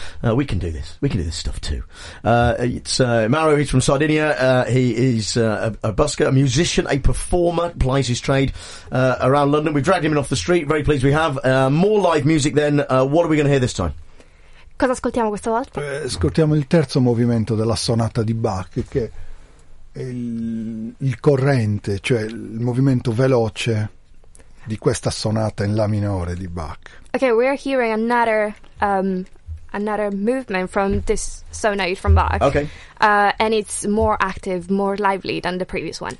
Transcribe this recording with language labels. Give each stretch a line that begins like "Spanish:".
English: We can do this. We can do this stuff too. It's Mauro. He's from Sardinia. He is a busker, a musician, a performer, plies his trade around London. We've dragged him in off the street. Very pleased we have. More live music then. What are we going to hear this time?
Italian: Cosa ascoltiamo questa volta? Ascoltiamo il terzo movimento della sonata di Bach, che... il corrente, cioè il movimento veloce di questa sonata in la minore di Bach.
English: Okay, we're hearing another movement from this sonata from Bach. Okay. And it's more active, more lively than the previous one.